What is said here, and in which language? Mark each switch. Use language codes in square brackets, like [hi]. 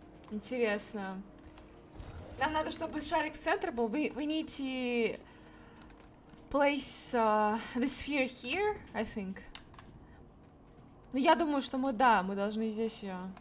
[ru] Интересно. Нам надо, чтобы шарик в центре был. [en] We need to place the sphere here, I think. [ru] Ну, я думаю, что мы, да, мы должны здесь ее.